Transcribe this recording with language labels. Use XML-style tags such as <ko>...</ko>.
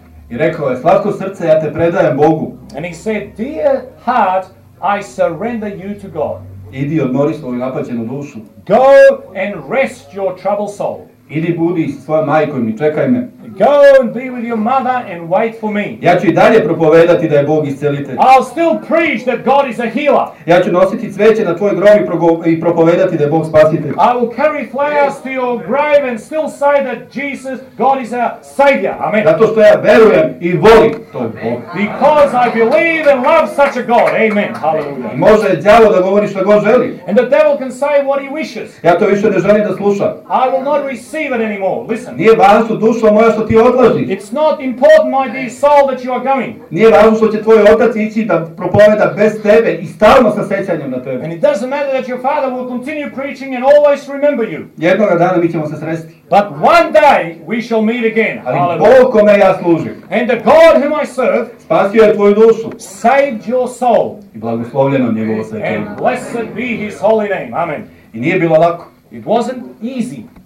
<sr>I rekao je, slatko srce, ja te predajem Bogu.</sr> <en>And he said, dear heart, I surrender you to God.</en> <sr>Idi odmori svoju napaćenu dušu.</sr> <en>Go and rest your troubled soul.</en> <sr>Idi budi svoju majku i čekaj me.</sr> <en>Go and be with your mother and wait for me.</en> <sr>Ja ću i dalje propovedati da je Bog iscelitelj.</sr> <en>I'll still preach that God is a healer.</en> <sr>Ja ću nositi cveće na tvoj grob i propovedati da je Bog spasitelj.</sr> <en>I will carry flowers to your grave and still say that Jesus, God is a savior. Amen.</en> <sr>Zato što ja verujem i volim tog Boga.</sr> <en>Because I believe and love such a God. Amen. Hallelujah.</en> <sr>Može đavo da govori što god želi.</sr> <en>And the devil can say what he wishes.</en> <sr>Ja to više ne želim da slušam.</sr> <en>I will not receive it anymore. Listen.</en> <sr>Nije važno, dušo moja, što ti odlaziš.</sr> <en>It's not important, my dear soul, that you are going.</en> <sr>Nije važno što će tvoj otac ići da propoveda bez tebe i stalno sa sećanjem na tebe.</sr> <en>And it doesn't matter that your father will continue preaching and always remember you.</en> <sr>Jednoga dana mi ćemo se sresti.</sr> <en>But one day we shall meet again.</en> <sr>Ali Bog kome ja služim.</sr> <en>And the God whom I serve.</en> <sr>Spasio je tvoju dušu.</sr> <en>Saved your soul.</en> <sr>I blagoslovljeno njegovo sveće.</sr> <en>And blessed be his holy name. Amen.</en> <sr>I nije bilo lako.</sr> <en>It wasn't easy.</en>